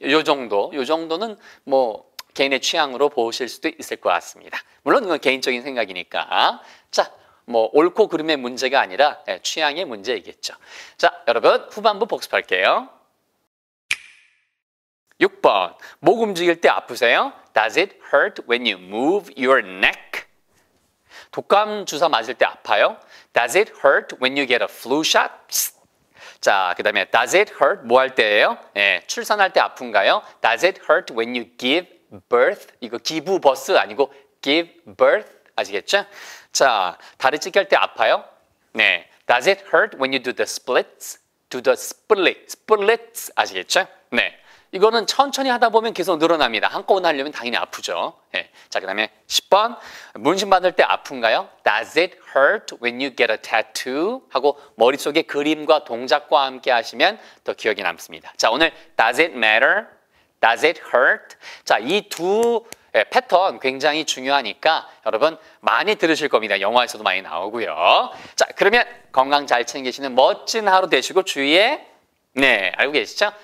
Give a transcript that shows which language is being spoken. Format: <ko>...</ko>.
<ko>요 정도는 뭐 개인의 취향으로 보실 수도 있을 것 같습니다. 물론 이건 개인적인 생각이니까. 자, 뭐 옳고 그름의 문제가 아니라 취향의 문제이겠죠. 자, 여러분 후반부 복습할게요. 6번, 목 움직일 때 아프세요?</ko> <en>Does it hurt when you move your neck?</en> <ko>독감 주사 맞을 때 아파요?</ko> <en>Does it hurt when you get a flu shot?</en> <ko>자, 그 다음에</ko> <en>Does it hurt</en> <ko>뭐 할 때예요? 예, 출산할 때 아픈가요?</ko> <en>Does it hurt when you give birth?</en> <ko>이거 기부 버스 아니고</ko> <en>give birth</en> <ko>아시겠죠? 자, 다리 찢길 때 아파요?</ko> <en>네, Does it hurt when you do the splits? Do the splits</en> <ko>아시겠죠? 네. 이거는 천천히 하다 보면 계속 늘어납니다. 한꺼번에 하려면 당연히 아프죠. 예. 자, 그 다음에 10번. 문신 받을 때 아픈가요?</ko> <en>Does it hurt when you get a tattoo?</en> <ko>하고 머릿속에 그림과 동작과 함께 하시면 더 기억이 남습니다. 자, 오늘</ko> <en>Does it matter? Does it hurt?</en> <ko>자, 이 두 패턴 굉장히 중요하니까 여러분 많이 들으실 겁니다. 영화에서도 많이 나오고요. 자, 그러면 건강 잘 챙기시는 멋진 하루 되시고 주위에 네, 알고 계시죠?</ko>